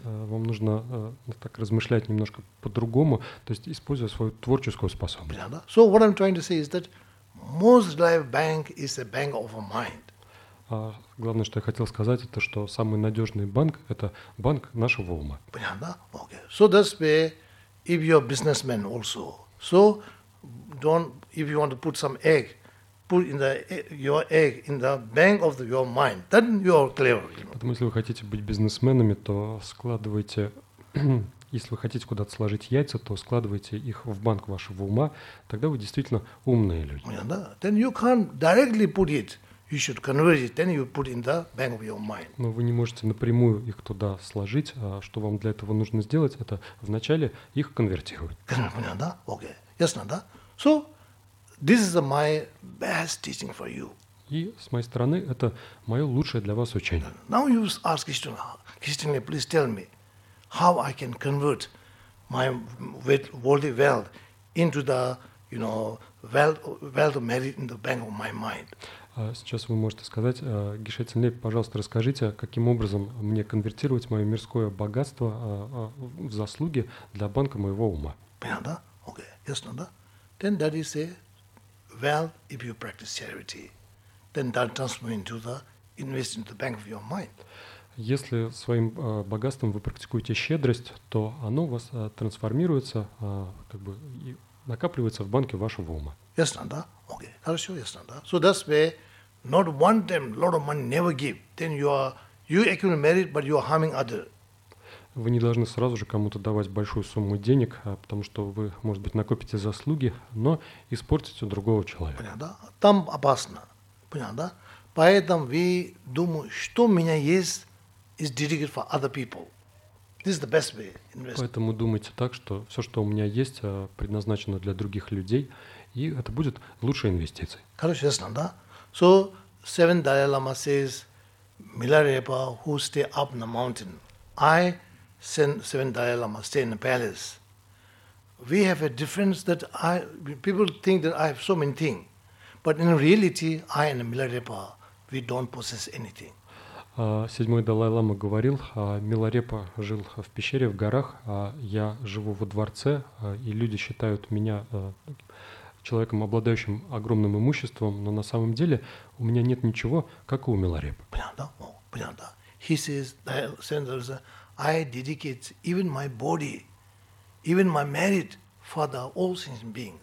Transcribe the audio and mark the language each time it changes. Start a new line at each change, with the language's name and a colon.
Russian: Вам нужно так размышлять немножко по-другому, то есть используя свою творческую способность.
English: Yeah, so what I'm trying to say is that most life bank is a bank of a mind.
Russian: Главное, что я хотел сказать, это что самый надежный банк – это банк нашего ума.
English: Yeah, okay. So that's where if you're a businessman also. So don't if you want to put some egg. Put in the your egg in the bank of your mind. Then you are clever.
Russian: Потому если вы хотите быть бизнесменами, то складывайте. Если вы хотите куда-то сложить яйца, то складывайте их в банк вашего ума. Тогда вы действительно умные люди.
English: Yeah, then you can't directly put it. You should convert it. Then you put in the bank of your mind.
Russian: Но вы не можете напрямую их туда сложить. А что вам для этого нужно сделать? Это вначале их конвертировать. Понятно, да? Окей. Ясно, да?
English: So this is my best teaching for you.
Russian: И с моей стороны это мое лучшее для вас учение.
English: Now you ask Krishna, Krishna, please tell me how I can convert my worldly wealth into the, you know, wealth merit in the bank of my mind.
Russian: Сейчас вы можете сказать, Гишетинлей, пожалуйста, расскажите, каким образом мне конвертировать мое мирское богатство в заслуги для банка моего ума? Понятно, да? Окей, ясно, да? Then that is a wealth.
English: If you practice charity, then that transforms into the investing the bank of your mind.
Russian: Если своим богатством вы практикуете щедрость, то оно у вас трансформируется, как бы и накапливается в банке вашего ума. Ясно, да? Окей. Хорошо, ясно, да?
English: So that's where not one time lot of money never give. Then you accumulate merit, but you are harming other.
Russian: Вы не должны сразу же кому-то давать большую сумму денег, потому что вы, может быть, накопите заслуги, но испортите другого человека. Понятно, да? Там опасно. Понятно, да? Поэтому вы думаете, что у меня есть, is dedicated for other people.
English: This is the best way to invest.
Russian: Поэтому думайте так, что все, что у меня есть, предназначено для других людей, и это будет лучшая инвестиция. Короче, ясно, да?
English: So, seven Dalai Lama says, Milarepa, who stay up in the mountain, I seven Dalai Lama stay in the palace. We have a difference that people think that I have so many things. But in reality, I and Milarepa, we don't possess anything.
Russian: Седьмой Далай Лама говорил, Миларепа жил в пещере, в горах, а я живу во дворце, и люди считают меня человеком, обладающим огромным имуществом, но на самом деле у меня нет ничего, как и у Миларепы.
English: Понятно? Понятно. He says, seven Dalai Lama, I dedicate even my body, even my merit for the all sentient beings.